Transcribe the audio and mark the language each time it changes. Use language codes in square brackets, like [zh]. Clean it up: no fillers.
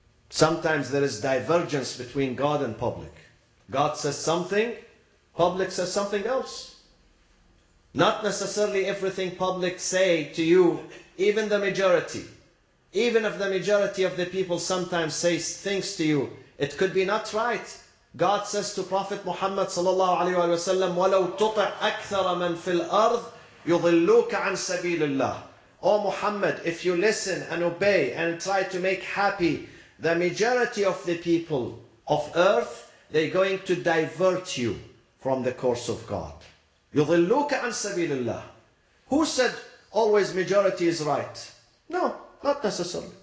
[en] Sometimes there is divergence between God and public. God says something, public says something else. Not necessarily everything public say to you, even the majority. Even if the majority of the people sometimes say things to you, it could be not right. God says to Prophet Muhammad sallallahu alaihi wasallam, [ar] وَلَوْ تُطِعْ أَكْثَرَ مَنْ فِي الْأَرْضِ يُضِلُّكَ عَنْ سَبِيلِ اللَّهِ. [en] Oh Muhammad, if you listen and obey and try to make happy the majority of the people of earth, they're going to divert you from the course of God. [ar] يُضِلُّكَ عَنْ سَبِيلِ اللَّهِ. [en] Who said always majority is right? No, not necessarily.